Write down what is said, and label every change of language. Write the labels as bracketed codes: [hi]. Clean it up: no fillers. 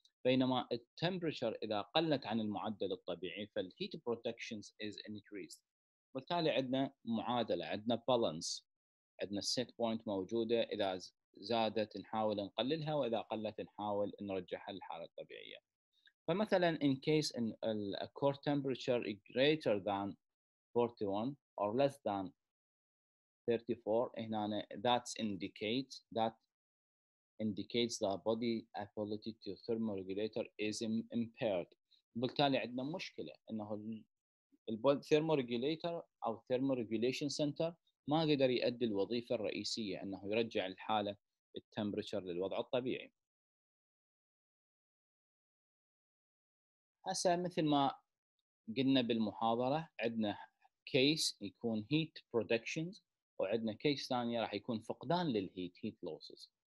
[ar] بينما temperature إذا قلت عن المعدل الطبيعي فال [en] heat protections is increased، [ar] وبالتالي عندنا معادلة، عندنا balance، عندنا set point موجودة، إذا زادت نحاول نقللها وإذا قلت نحاول نرجعها للحالة الطبيعية. [en] فمثلا in case in a core temperature is greater than 41 or less than 34 that indicates the body ability to thermoregulator is impaired. [ar] بالتالي عندنا مشكلة إنه thermoregulator أو thermoregulation center ما قدر يؤدي الوظيفة الرئيسية إنه يرجع الحالة temperature للوضع الطبيعي. هسا مثل ما قلنا بالمحاضرة عندنا case يكون heat productions، وعندنا case ثانية راح يكون فقدان للheat heat losses.